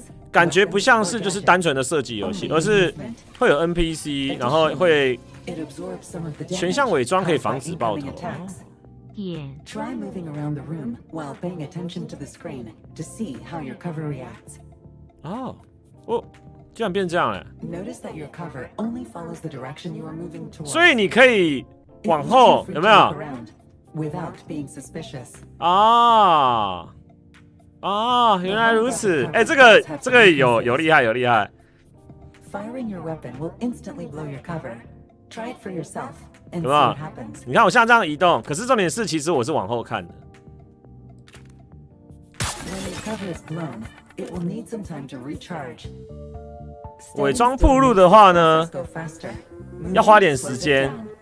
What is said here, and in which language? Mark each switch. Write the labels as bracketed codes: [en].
[zh] 感觉不像是就是单纯的射击游戏，而是会有 NPC， 然后会全向伪装可以防止爆头。 [en] Try moving around the room while paying attention to the screen to see how your cover reacts. [zh] 哦，居然变这样哎！ [en] Notice that your cover only follows the direction you are moving towards. [zh] 所以你可以往后，有没有？ Without being suspicious. [en] 啊啊，原来如此！ [zh] 哎，这个有厉害，有厉害。 [en] Firing your weapon will instantly blow your cover. Try it for yourself and see what happens. [zh] 你看我像这样移动，可是重点是，其实我是往后看的。 [en] When your cover is blown. It will need some time to recharge. [zh] 伪装暴露的话呢，要花点时间。